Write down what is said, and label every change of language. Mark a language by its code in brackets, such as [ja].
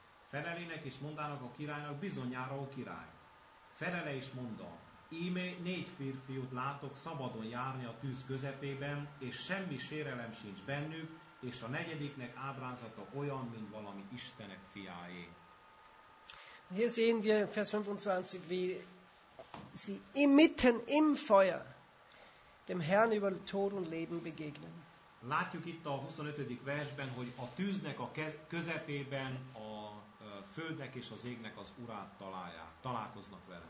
[hu] Felelének és mondának a királynak, bizonyára, ó király. Felele is mondta, íme négy férfiút látok szabadon járni a tűz közepében, és semmi sérelem sincs bennük, és a negyediknek ábrázata olyan, mint valami Istenek fiáé. [de] Hier sehen wir Vers 25, wie sie inmitten im Feuer dem Herrn über Tod und Leben begegnen. [hu] Látjuk itt a 25. versben, hogy a tűznek a közepében a földnek és az égnek az urát találkoznak vele.